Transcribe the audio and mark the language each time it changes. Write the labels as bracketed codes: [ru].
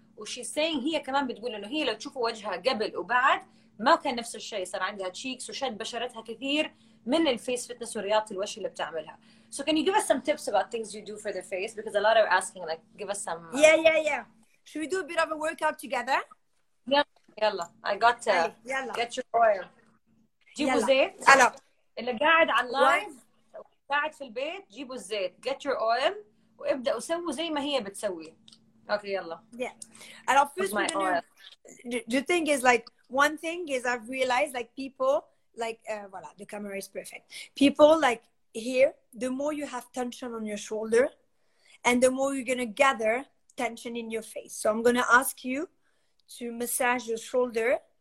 [ar] وشي saying هي كمان بتقول انه هي لو تشوفوا وجهها قبل وبعد ما كان نفس الشيء، صار عندها cheeks وشد بشرتها كثير من الفيس فيتنس ورياضة الوش اللي بتعملها. [en] So can you give us some tips about things you do for the face? Because a lot are asking, like, give us some... Yeah. Should we do a bit of a workout together? Yeah. يلا. I got to get your oil. [ar] جيبوا زيت. يلا. اللي قاعد على اللايف قاعد في البيت جيبوا الزيت. [en] Get your oil. [ar] وابدأوا سووا زي ما هي بتسوي. [en] Okay, يلا. Yeah. And of course, my oil. The thing is, like, one thing is I've realized, like, people... Like, voila, the camera is perfect. People, like, here, the more you have tension on your shoulder and the more you're going to gather tension in your face. So I'm going to ask you to massage your shoulder.